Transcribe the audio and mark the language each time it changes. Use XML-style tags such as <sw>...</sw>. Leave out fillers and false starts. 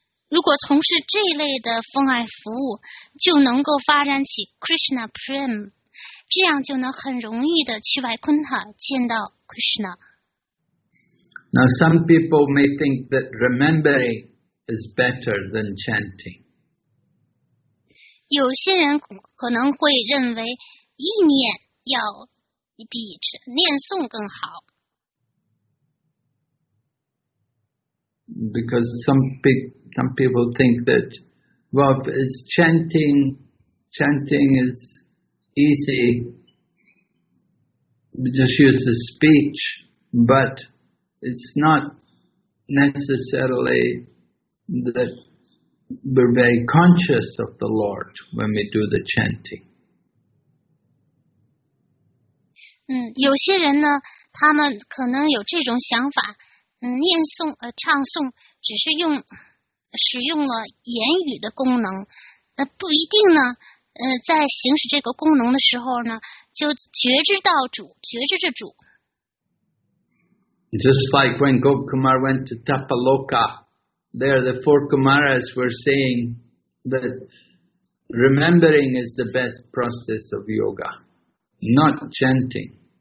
<zh>如果从事这一类的奉爱服务，就能够发展起 Krishna prem， 这样就能很容易的去 Vaikuntha 见到 Krishna。</zh> <en>Now some people may think that remembering is better than chanting.</en> <zh>有些人可能会认为意念要比念诵更好。</zh> <en>Because some people think that, well, it's chanting is easy. We just use the speech, but it's not necessarily that we're very conscious of the Lord when we do the chanting.</en> <zh>嗯，有些人呢，他们可能有这种想法，嗯，念诵唱诵只是用使用了言语的功能，不一定呢，在行使这个功能的时候呢，就觉知到主，觉知着主。</zh> <en>Just like when Gopkumar went to Tapaloka, there the four Kumaras were saying that remembering is the best process of yoga, not chanting.</en>